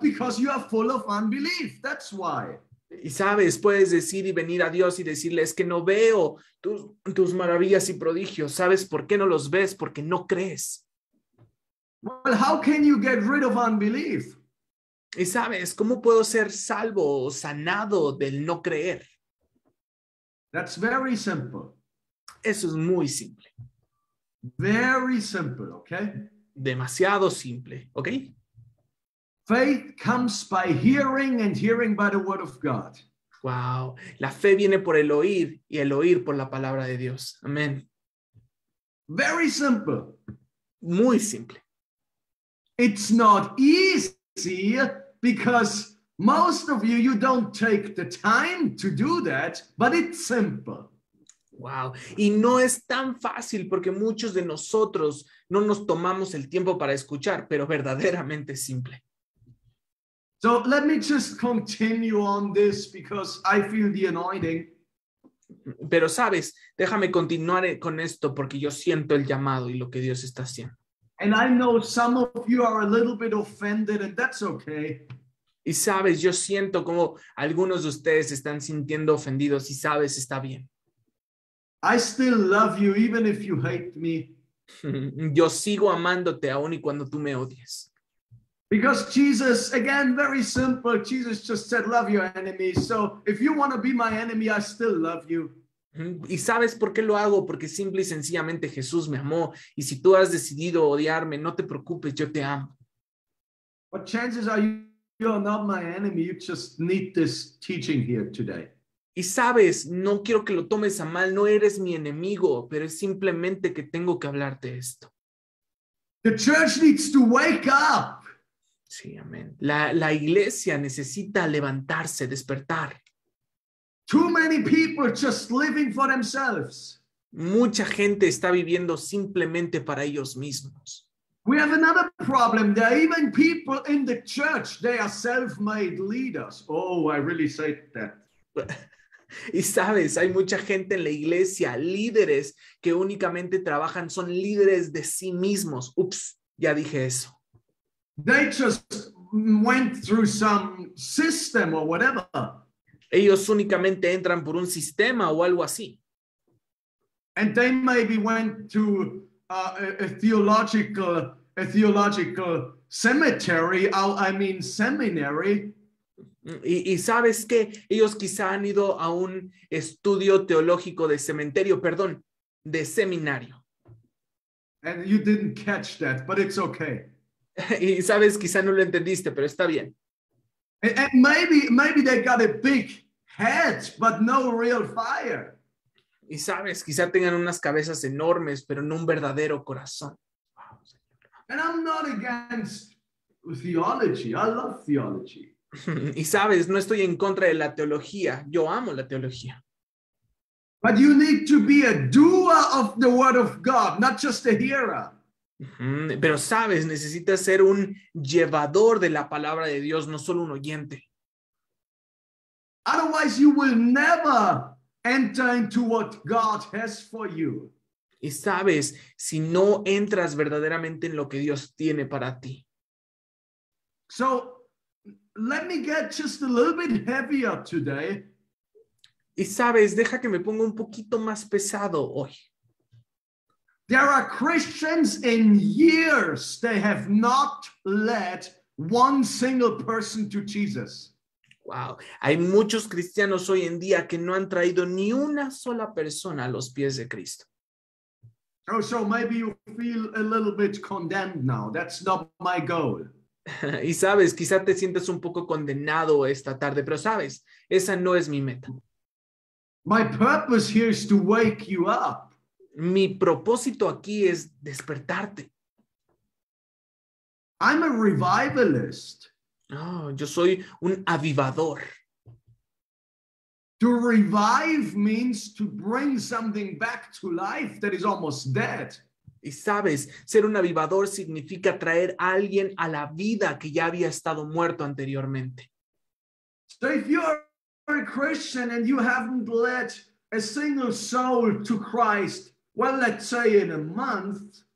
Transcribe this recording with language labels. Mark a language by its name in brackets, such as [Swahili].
[English] Because you are full of unbelief. That's why. [Spanish] Y sabes, puedes decir y venir a Dios y decirle, es que no veo tus maravillas y prodigios. ¿Sabes por qué no los ves? Porque no crees. [English] Well, how can you get rid of unbelief? [Spanish] Y sabes, ¿cómo puedo ser salvo o sanado del no creer? [English] That's very simple. [Spanish] Eso es muy simple. [English] Very simple, okay? [Spanish] Demasiado simple, okay? [English] Faith comes by hearing and hearing by the word of God. [Spanish] Wow, la fe viene por el oír y el oír por la palabra de Dios. Amén. [English] Very simple. [Spanish] Muy simple. [English] It's not easy. Because most of you don't take the time to do that, but it's simple. Wow. [Spanish] Y no es tan fácil porque muchos de nosotros no nos tomamos el tiempo para escuchar, pero verdaderamente simple. [English] So let me just continue on this because I feel the anointing. [Spanish] Pero sabes, déjame continuar con esto porque yo siento el llamado y lo que Dios está haciendo. [English] And I know some of you are a little bit offended, and that's okay. [Spanish] Y sabes, yo siento como algunos de ustedes están sintiendo ofendidos y sabes, está bien. [English] I still love you even if you hate me. [Spanish] Yo sigo amándote aun y cuando tú me odies. [English] Because Jesus, again, very simple, Jesus just said, love your enemies. So if you want to be my enemy, I still love you. [Spanish] ¿Y sabes por qué lo hago? Porque simple y sencillamente Jesús me amó. Y si tú has decidido odiarme, no te preocupes, yo te amo. [English] But chances are you're not my enemy. You just need this teaching here today. [Spanish] Y sabes, no quiero que lo tomes a mal, no eres mi enemigo, pero es simplemente que tengo que hablarte esto. [English] The church needs to wake up. [Spanish] Sí, amén. La iglesia necesita levantarse, despertar. [English] Too many people just living for themselves. [Spanish] Mucha gente está viviendo simplemente para ellos mismos. [English] We have another problem. There are even people in the church, they are self-made leaders. Oh, I really say that. [Spanish] Y sabes, hay mucha gente en la iglesia, líderes que únicamente trabajan, son líderes de sí mismos. Ups, ya dije eso. [English] They just went through some system or whatever. [Spanish] Ellos únicamente entran por un sistema o algo así. [English] And they maybe went to a theological cemetery, seminary. [Spanish] Y sabes qué, ellos quizá han ido a un estudio teológico de cementerio, perdón, de seminario. [English] And you didn't catch that, but it's okay. [Spanish] Y sabes, quizá no lo entendiste, pero está bien. [English] And maybe they got a big head, but no real fire. [Spanish] Y sabes, quizá tengan unas cabezas enormes, pero no un verdadero corazón. [English] And I'm not against theology. I love theology. [Spanish] Y sabes, no estoy en contra de la teología. Yo amo la teología. [English] But you need to be a doer of the word of God, not just a hearer. [Spanish] Pero sabes, necesitas ser un llevador de la palabra de Dios, no solo un oyente. [English] Otherwise, you will never enter into what God has for you. [Spanish] Y sabes, si no entras verdaderamente en lo que Dios tiene para ti. [English] So, let me get just a little bit heavier today. [Spanish] Y sabes, deja que me ponga un poquito más pesado hoy. [English] There are Christians in years they have not led one single person to Jesus. Wow. [Spanish] Hay muchos cristianos hoy en día que no han traído ni una sola persona a los pies de Cristo. [English] Oh, so maybe you feel a little bit condemned now. That's not my goal. [Spanish] Y sabes, quizá te sientas un poco condenado esta tarde, pero sabes, esa no es mi meta. [English] My purpose here is to wake you up. [Spanish] Mi propósito aquí es despertarte. [English] I'm a revivalist. [Spanish] Oh, yo soy un avivador. [English] To revive means to bring something back to life that is almost dead. [Spanish] Y sabes, ser un avivador significa traer a alguien a la vida que ya había estado muerto anteriormente. [English] So if you're a Christian and you haven't led a single soul to Christ, well, let's say in a month.